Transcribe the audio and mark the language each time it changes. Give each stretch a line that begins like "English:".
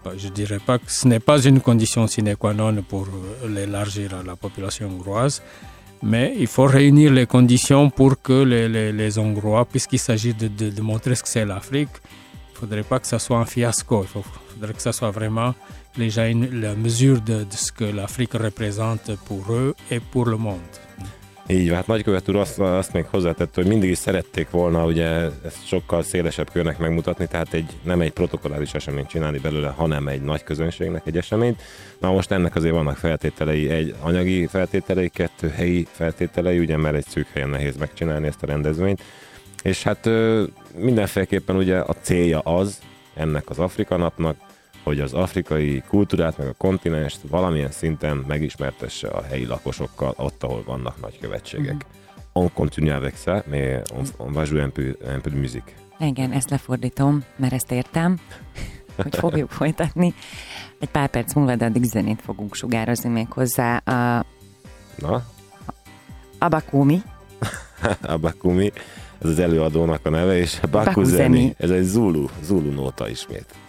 French: Je ne dirais pas que ce n'est pas une condition sine qua non pour l'élargir à la population hongroise, mais il faut réunir les conditions pour que les Hongrois, puisqu'il s'agit de montrer ce que c'est l'Afrique, il ne faudrait pas que ce soit un fiasco, il faudrait que ce soit vraiment déjà la mesure de ce que l'Afrique représente pour eux et pour le monde.
Hungarian: Így van, hát nagykövet úr azt még hozzátett, hogy mindig is szerették volna ugye ezt sokkal szélesebb körnek megmutatni, tehát nem egy protokollális eseményt csinálni belőle, hanem egy nagy közönségnek egy eseményt. Na most ennek azért vannak feltételei, egy anyagi feltételei, kettő helyi feltételei, ugye mert egy szűk helyen nehéz megcsinálni ezt a rendezvényt. És hát mindenféleképpen ugye a célja az ennek az Afrika napnak, hogy az afrikai kultúrát, meg a kontinenst valamilyen szinten megismertesse a helyi lakosokkal, ott, ahol vannak nagykövetségek. Mm-hmm.
French: On continue avec ça, mais on va jouer un peu de musique.
Hungarian: Igen, ezt lefordítom, mert ezt értem, hogy fogjuk folytatni. Egy pár perc múlva, de addig zenét fogunk sugározni még hozzá. Na? Abakumi. Abakumi, ez az előadónak a neve, és Bakuzeni, ez egy Zulu nóta ismét.